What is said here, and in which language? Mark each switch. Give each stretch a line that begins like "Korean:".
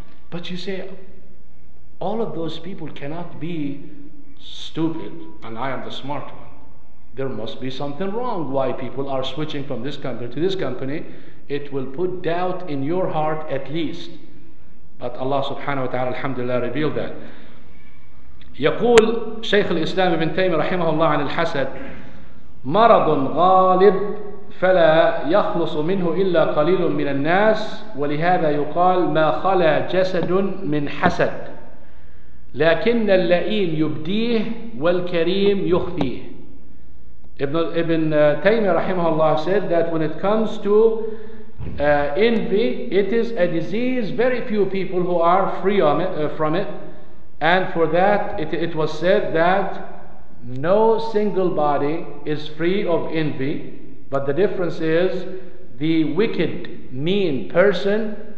English: But you say, all of those people cannot be stupid, and I am the smart one. There must be something wrong why people are switching from this company to this company. It will put doubt in your heart at least. But Allah subhanahu wa ta'ala, alhamdulillah, revealed that.
Arabic: يقول شيخ الإسلام ابن تيمية رحمه الله عن الحسد: مرض غالب فلا يخلص منه إلا قليل من الناس، ولهذا يقال: ما خلا جسد من حسد، لكن اللئيم يبديه والكريم يخفيه.
English: ابن تيمية رحمه الله said that when it comes to envy, it is a disease very few people who are free from it, and for that it was said that no single body is free of envy, but the difference is the wicked, mean person